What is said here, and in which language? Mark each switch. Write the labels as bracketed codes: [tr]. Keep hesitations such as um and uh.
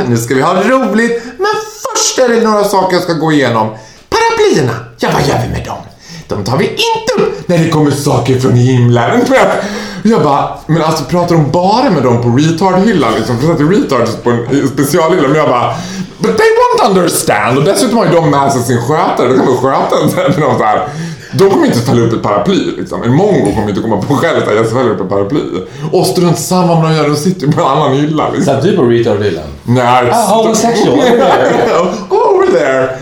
[sv] Nu ska vi ha roligt, men först är det några saker jag ska gå igenom. Paraplyerna, ja vad gör vi med dem? De tar vi inte upp när det kommer saker från himlen. Jag bara, men alltså pratar de bara med dem på retardhyllan liksom? För att det är på en specialhylla. Men jag bara, [en] but they won't understand. [sv] Och dessutom har ju de med sig sin skötare, då kommer skötaren säga till dem såhär, de kommer inte yes. att fälla upp ett paraply liksom. En mongo kommer inte att komma på själv att jag fäller upp ett paraply. Och strunt samma om de gör det, de sitter på en annan hylla liksom. Satt du på retard hyllan? Nej. [en] Ah, homosexual. Okay, okay. Over there. there.